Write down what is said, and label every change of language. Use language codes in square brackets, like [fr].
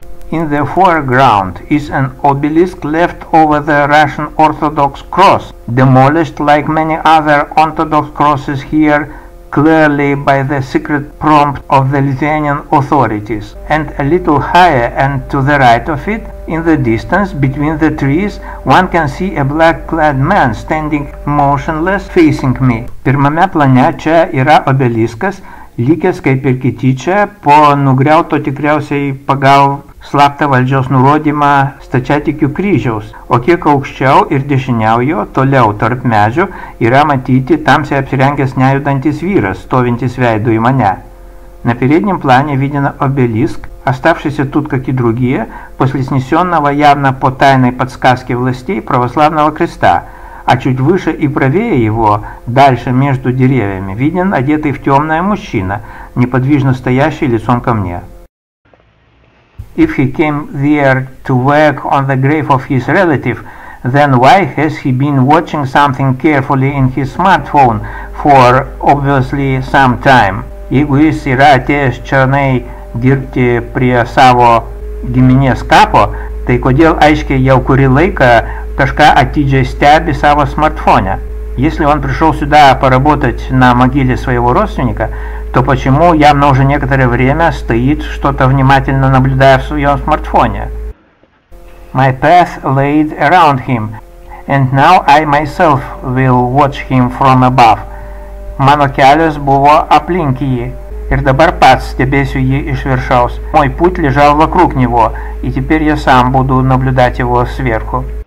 [en] In the foreground is an obelisk left over the Russian Orthodox cross, demolished like many other Orthodox crosses here, clearly by the secret prompt of the Lithuanian authorities. And a little higher and to the right of it, in the distance between the trees, one can see a black-clad man standing motionless facing me. [lt] Pirmame plane čia yra obeliskas, likęs kaip ir kiti čia, po nugriauto tikriausiai pagal slaptą valdžios nurodymą Stačiatikių kryžiaus, o kiek aukščiau ir dešiniau jo, toliau tarp medžių, yra matyti tamsiai apsirengęs nejudantis vyras, stovintis veidu į mane. [ru] На переднем плане виден обелиск, оставшийся тут, как и другие, после снесенного явно по тайной подсказке властей православного креста, а чуть выше и правее его, дальше между деревьями, виден одетый в темное мужчина, неподвижно стоящий лицом ко мне. [en] If he came there to work on the grave of his relative, then why has he been watching something carefully in his smartphone for obviously some time? [lt] Jeigu jis yra atėjęs černai dirbti prie savo giminės kapo, tai kodėl aiškiai jau kurį laiką kažką atidžiai stebi savo smartfone? [ru] Если он пришел сюда поработать на могиле своего родственника, то почему явно уже некоторое время стоит, что-то внимательно наблюдая в своем смартфоне? [en] My path laid around him, and now I myself will watch him from above. [lt] Mano kelias buvo aplink jį, ir dabar pats stebėsiu jį iš viršaus. [ru] Мой путь лежал вокруг него, и теперь я сам буду наблюдать его сверху.